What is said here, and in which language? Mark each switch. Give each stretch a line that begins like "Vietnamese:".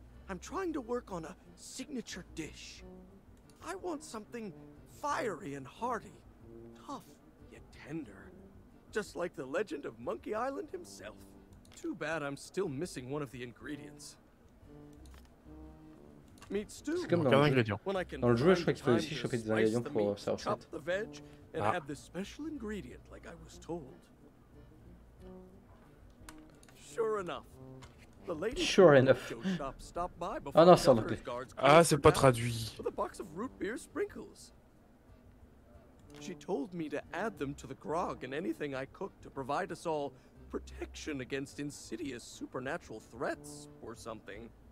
English: I'm trying to work on a signature dish. I want something fiery and hearty, tough yet tender, just like the legend of Monkey Island himself. Too bad I'm still missing one of the ingredients. Meat stew.
French: C'est comme dans le jeu. Dans le jeu, je crois qu'il faut aussi choper des ingrédients pour sa recette. Ah.
English: And have this special ingredient, like I was told. Sure enough. The lady sure enough. Shop stopped by before
French: ah non, c'est ah, c'est pas traduit.
English: With a box of root beer sprinkles. She told me to add them to the grog and anything I cook to provide us all protection against insidious supernatural threats or something.